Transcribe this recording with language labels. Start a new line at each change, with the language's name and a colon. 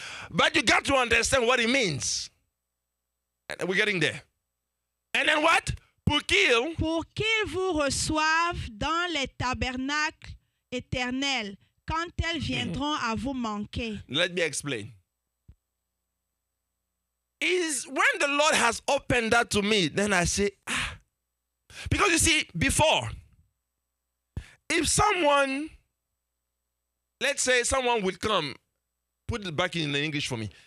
English: But you got to understand what it means. And we're getting there. And then what?
French: Pour qu'ils vous reçoivent dans les tabernacles éternels quand elles viendront à vous manquer.
English: Let me explain. Is when the Lord has opened that to me, then I say, ah. Because you see, before, if someone, let's say someone will come, put it back in the English for me.